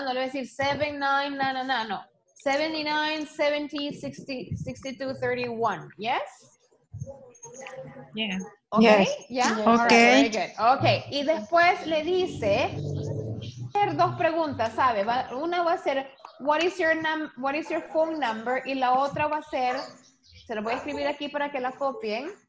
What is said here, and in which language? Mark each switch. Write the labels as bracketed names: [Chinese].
[Spanish] No le va a decir 79, no, no, no, no. [English] 79, 70, 60, 62, 31, yes? Yeah. Okay, yes. Yeah. Yes. Okay. Right, very good. Okay. [Spanish] Y después le dice, hacer dos preguntas, ¿sabe? Una va a ser, [English] what is your phone number? [Spanish] Y la otra va a ser, se lo voy a escribir aquí para que la copien.